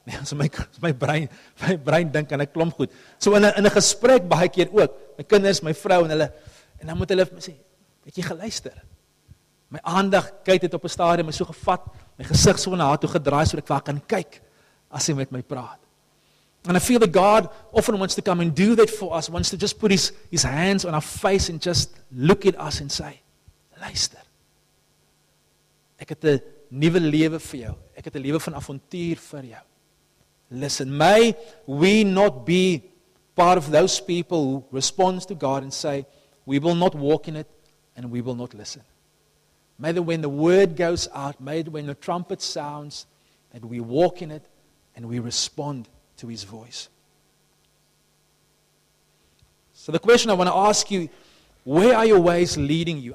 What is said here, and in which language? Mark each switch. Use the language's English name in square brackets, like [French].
[Afrikaans] Nee, as my brein dink aan 'n klomp goed. So in 'n gesprek baie keer ook, my kinders, my vrou en hulle en dan moet hulle vir my sê, "Het jy geluister?" My aandag kyk dit op 'n stadium is so gevat, my gesig so na haar toe gedraai sodat ek vir haar kan kyk as sy met my praat. [English] And I feel that God often wants to come and do that for us, wants to just put his hands on our face and just look at us and say, [Afrikaans] luister, ek het 'n nuwe lewe vir jou. Ek het 'n lewe van avontuur vir jou. [English] Listen, may we not be part of those people who responds to God and say, we will not walk in it and we will not listen. May that when the word goes out, may that when the trumpet sounds, that we walk in it and we respond to his voice. So the question I want to ask you, where are your ways leading you?